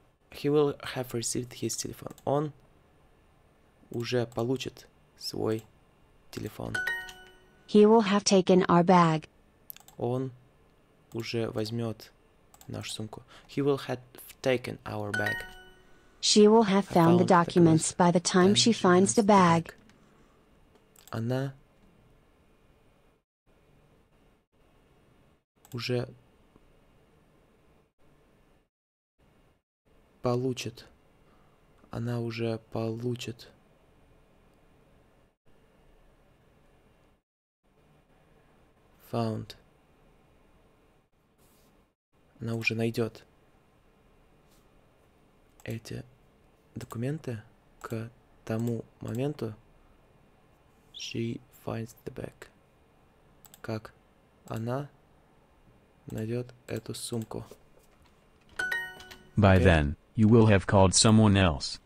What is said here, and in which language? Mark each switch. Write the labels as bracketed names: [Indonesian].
[English] He will have received his telephone. [Russian] Он уже получит свой телефон. [English] He will have taken our bag. [Russian] Он уже возьмет нашу сумку. [English] He will have taken our bag. She will have found the documents by the time she finds the bag. [Russian] Она уже получит. Она уже получит. [English] Found. [Russian] Она уже найдет эти документы к тому моменту. [English] She finds the bag. [Russian] Как она найдет эту сумку. [English] By then, you will have called someone else.